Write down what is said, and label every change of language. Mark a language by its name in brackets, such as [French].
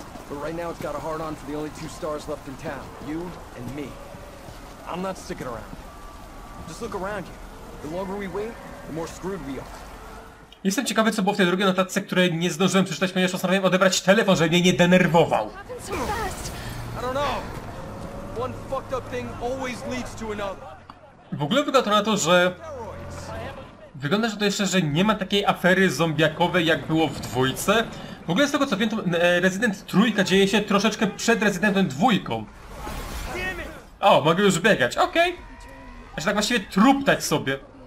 [English] But right now it's got a hard-on for the only two stars left in town. You and me. I'm not sticking around. Just look around you. The longer we wait, the more screwed we are. [Polish] Jestem ciekawy, co było w tej drugiej notatce, której nie zdążyłem przeczytać, ponieważ postanowiłem odebrać telefon, żeby mnie nie denerwował. [English] I don't know. One fucked up thing always leads to another. [Polish] W ogóle wygląda to na to, że... Wygląda, że to jeszcze, że nie ma takiej afery zombiakowej, jak było w dwójce. W ogóle z tego co wiem, to Resident Trójka dzieje się troszeczkę przed Residentem Dwójką. O, mogę już biegać, okej. Okay. Aż tak właściwie truptać sobie.